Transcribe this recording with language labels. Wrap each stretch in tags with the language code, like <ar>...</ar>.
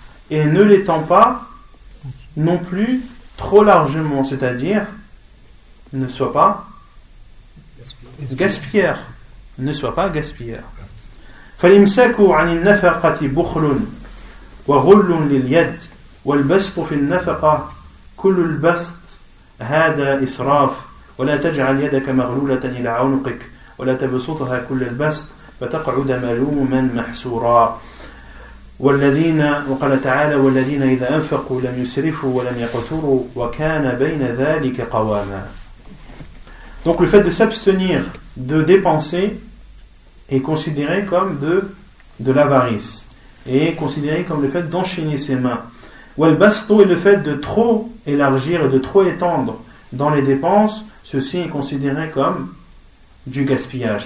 <fr>Et ne l'étends pas non plus trop largement. C'est-à-dire, ne sois pas gaspilleur. Ne sois pas gaspilleur.</fr> <ar>فَلِمْسَكُوا عَنِ النَّفَقَةِ بُخْلٌ وغل لليد والبسط في النفقة كل البسط هذا إسراف ولا تجعل يدك مغلولة إلى عنقك ولا تبسطها كل البسط فتقعد ملوما محسورا والذين وقال تعالى والذين إذا أنفقوا لم يسرفوا ولم يقتروا وكان بين ذلك قواما.</ar> <fr>Donc le fait de s'abstenir de dépenser est considéré comme de l'avarice et considéré comme le fait d'enchaîner ses mains. Ou al-basto est le fait de trop élargir et de trop étendre dans les dépenses, ceci est considéré comme du gaspillage.</fr>